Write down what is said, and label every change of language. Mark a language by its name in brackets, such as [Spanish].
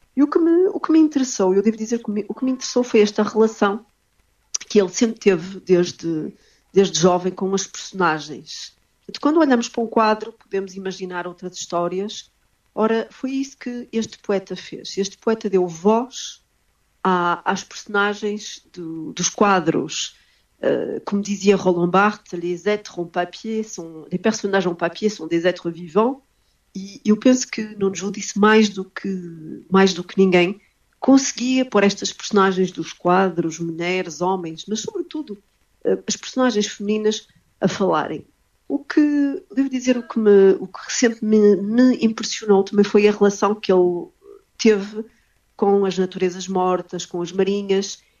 [Portuguese] E o que me interessou, eu devo dizer que o que me interessou foi esta relação que ele sempre teve desde jovem com as personagens. Quando olhamos para um quadro, podemos imaginar outras histórias. Ora, foi isso que este poeta fez. Este poeta deu voz às personagens dos quadros. Como dizia [French] Roland Barthes, les êtres en papier sont, les personnages en papier sont des êtres vivants. [Portuguese] E eu penso que Nuno Judo disse mais do que ninguém, conseguia pôr estas personagens dos quadros, mulheres, homens, mas sobretudo as personagens femininas a falarem. O que, devo dizer, o que sempre me impressionou também foi a relação que ele teve com as naturezas mortas, com as marinhas.